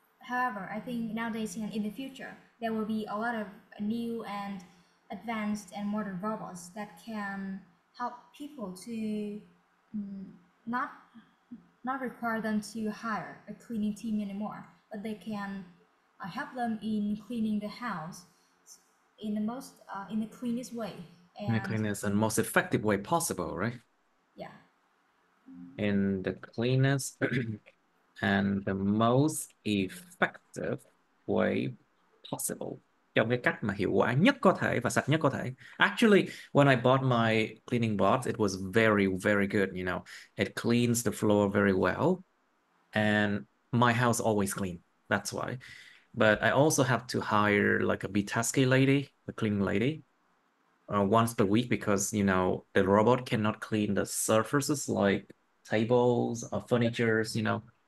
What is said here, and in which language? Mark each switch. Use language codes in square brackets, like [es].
[en] I think nowadays and in the future, there will be a lot of new and advanced and modern robots that can help people to not require them to hire a cleaning team anymore, but they can help them in cleaning the house in the most in the cleanest way and the cleanest and most effective way possible, right? Yeah, in the cleanest and the most effective way possible, [vi] trong cái cách mà hiệu quả nhất có thể và sạch nhất có thể. [en] Actually, when I bought my cleaning bot, it was very, very good, you know. It cleans the floor very well. And my house always clean, that's why. But I also have to hire like a Bitaski lady, the cleaning lady, once per week because, you know, the robot cannot clean the surfaces like tables or furnitures, you know.